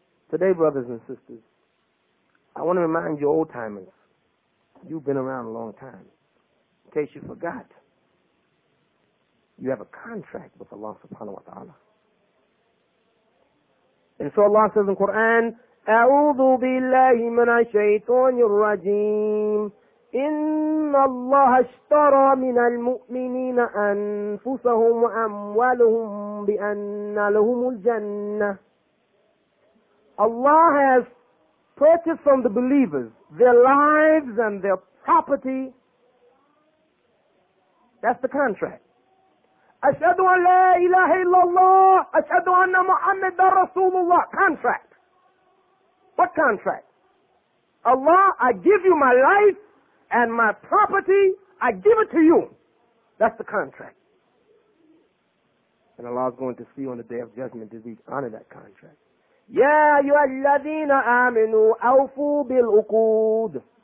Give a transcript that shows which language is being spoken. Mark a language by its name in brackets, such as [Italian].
[English] Today, brothers and sisters, I want to remind you old timers. You've been around a long time. In case you forgot, you have a contract with Allah subhanahu wa ta'ala. And so Allah says in Quran, [Arabic] أعوذ بالله من الشيطان الرجيم إن الله اشترى من المؤمنين أنفسهم وأموالهم بأن لهم الجنة. [English] Allah has purchased from the believers their lives and their property. That's the contract. [Arabic] أشهد أن لا إله إلا الله أشهد أن محمد رسول الله. [English] Contract. What contract? Allah, I give you my life and my property. I give it to you. That's the contract. And Allah is going to see on the day of judgment if we honor that contract. [Arabic] Ya ayyuhalladhina amanu awfu bil uqud.